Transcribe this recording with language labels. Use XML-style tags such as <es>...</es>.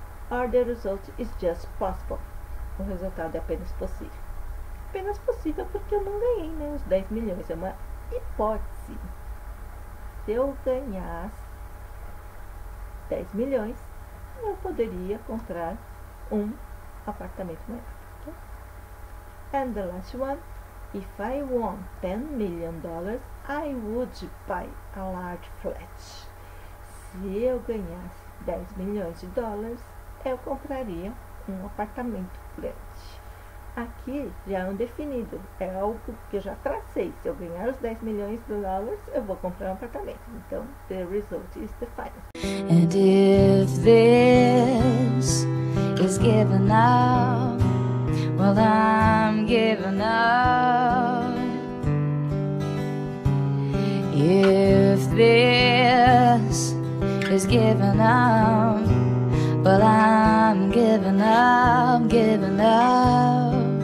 <en>Or the result is just possible.</en> <pt>O resultado é apenas possível. Apenas possível porque eu não ganhei nem os 10 milhões. É uma hipótese. Se eu ganhasse 10 milhões, eu poderia comprar um apartamento maior.</pt> <en>And the last one. If I won $10 million, I would buy a large flat.</en> <pt>Se eu ganhasse 10 milhões de dólares, eu compraria um apartamento grande. Aqui já é um definido, é algo que eu já tracei. Se eu ganhar os 10 milhões de dólares, eu vou comprar um apartamento.</pt> <en>Então, the result is the final. And if this is given up, well, I'm giving up. If this is given up, well, I'm giving up, giving up.</en>